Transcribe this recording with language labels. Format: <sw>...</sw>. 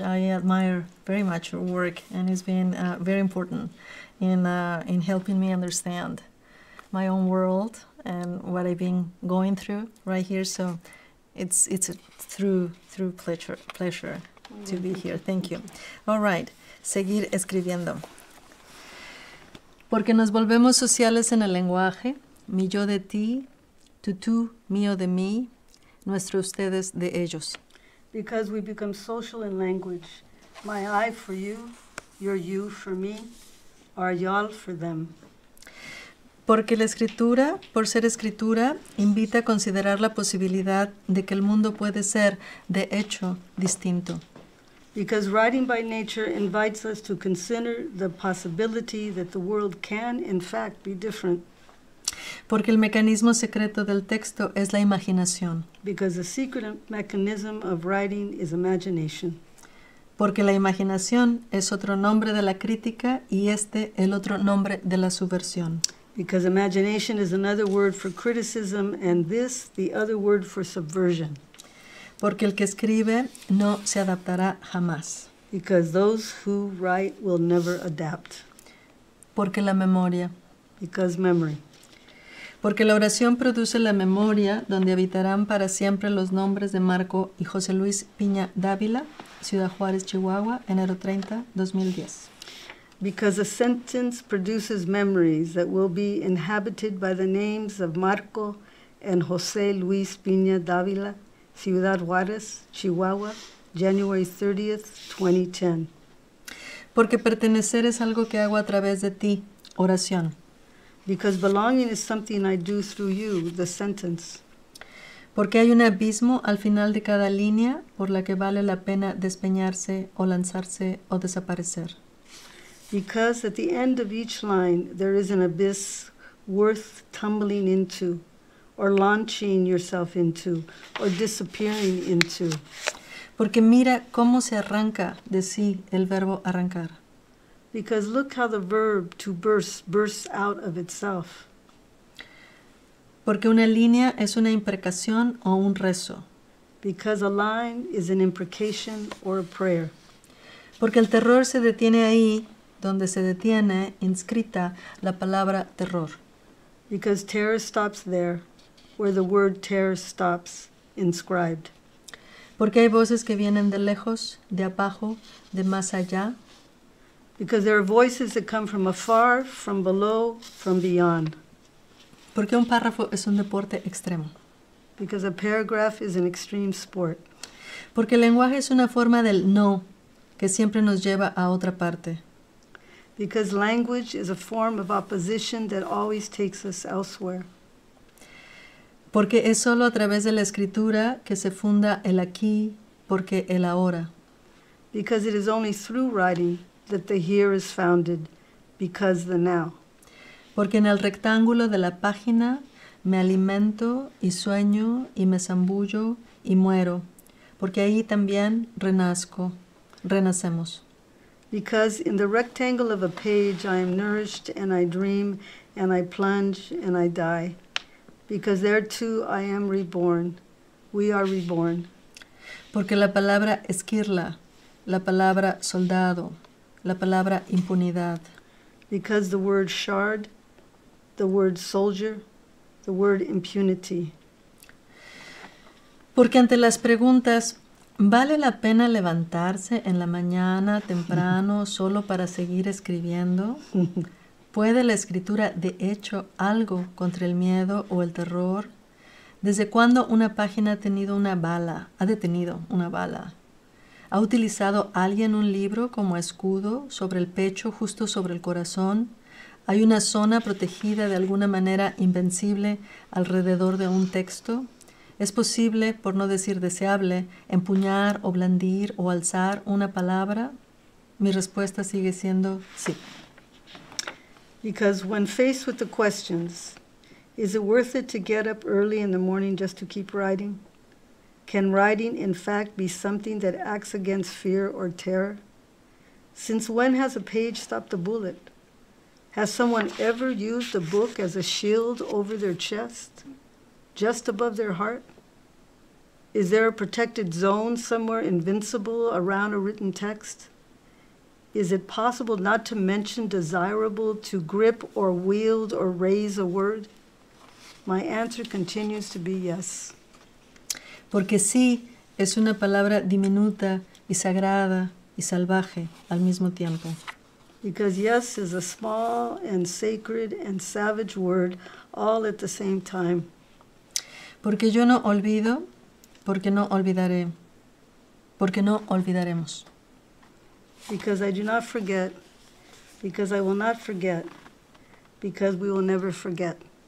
<en>I admire very much your work, and it's been very important in helping me understand my own world and what I've been going through right here. So it's a true pleasure to be here.</en> <es>Thank you. All right. Seguir escribiendo. Porque nos volvemos sociales en el lenguaje, mi yo de ti, tú mío de mí, nuestro ustedes de ellos.</es> <en>Because we become social in language, my I for you, your you for me, our y'all for them.</en> <es>Porque la escritura, por ser escritura, invita a considerar la posibilidad de que el mundo puede ser, de hecho, distinto.</es> <en>Because writing by nature invites us to consider the possibility that the world can, in fact, be different.</en> <es>Porque el mecanismo secreto del texto es la imaginación.</es> <en>Because the secret mechanism of writing is imagination.</en> <es>Porque la imaginación es otro nombre de la crítica y este el otro nombre de la subversión.</es> <en>Because imagination is another word for criticism and this the other word for subversion.</en> <es>Porque el que escribe no se adaptará jamás.</es> <en>Because those who write will never adapt.</en> <es>Porque la memoria.</es> <en>Because memory.</en> <es>Porque la oración produce la memoria donde habitarán para siempre los nombres de Marco y José Luis Piña Dávila, Ciudad Juárez, Chihuahua, enero 30, 2010.</es> <en>Because a sentence produces memories that will be inhabited by the names of Marco and José Luis Piña Dávila, Ciudad Juárez, Chihuahua, January 30th, 2010.</en> <es>Porque pertenecer es algo que hago a través de ti, oración.</es> <en>Because belonging is something I do through you, the sentence.</en> <es>Porque hay un abismo al final de cada línea por la que vale la pena despeñarse o lanzarse o desaparecer.</es> <en>Because at the end of each line there is an abyss worth tumbling into, or launching yourself into, or disappearing into.</en> <es>Porque mira cómo se arranca de sí el verbo arrancar.</es> <en>Because look how the verb to burst bursts out of itself.</en> <es>Porque una línea es una imprecación o un rezo.</es> <en>Because a line is an imprecation or a prayer.</en> <es>Porque el terror se detiene ahí donde se detiene inscrita la palabra terror.</es> <en>Because terror stops there, where the word terror stops inscribed.</en> <es>Porque hay voces que vienen de lejos, de abajo, de más allá.</es> <en>Because there are voices that come from afar, from below, from beyond.</en> <es>Porque un párrafo es un deporte extremo.</es> <en>Because a paragraph is an extreme sport.</en> <es>Porque el lenguaje es una forma del no, que siempre nos lleva a otra parte.</es> <en>Because language is a form of opposition that always takes us elsewhere.</en> <es>Porque es solo a través de la escritura que se funda el aquí, porque el ahora.</es> <en>Because it is only through writing that the here is founded, because the now.</en> <es>Porque en el rectángulo de la página me alimento y sueño y me zambullo y muero. Porque ahí también renazco, renacemos.</es> <en>Because in the rectangle of a page I am nourished and I dream and I plunge and I die. Because there too I am reborn. We are reborn.</en> <es>Porque la palabra esquirla, la palabra soldado, la palabra impunidad.</es> <en>Because the word shard, the word soldier, the word impunity.</en> <es>Porque ante las preguntas, ¿vale la pena levantarse en la mañana temprano solo para seguir escribiendo? ¿Puede la escritura de hecho algo contra el miedo o el terror? ¿Desde cuándo una página ha detenido una bala? ¿Ha utilizado alguien un libro como escudo sobre el pecho, justo sobre el corazón? ¿Hay una zona protegida de alguna manera invencible alrededor de un texto? ¿Es posible, por no decir deseable, empuñar o blandir o alzar una palabra? Mi respuesta sigue siendo sí.</es> <en>Because when faced with the questions, is it worth it to get up early in the morning just to keep writing? Can writing, in fact, be something that acts against fear or terror? Since when has a page stopped a bullet? Has someone ever used a book as a shield over their chest, just above their heart? Is there a protected zone somewhere invincible around a written text? Is it possible not to mention desirable to grip or wield or raise a word? My answer continues to be yes.</en> <es>Porque sí es una palabra diminuta y sagrada y salvaje al mismo tiempo.</es> <en>Because yes is a small and sacred and savage word all at the same time.</en> <es>Porque yo no olvido, porque no olvidaré, porque no olvidaremos.</es> <en>Because I do not forget, because I will not forget, because we will never forget.</en>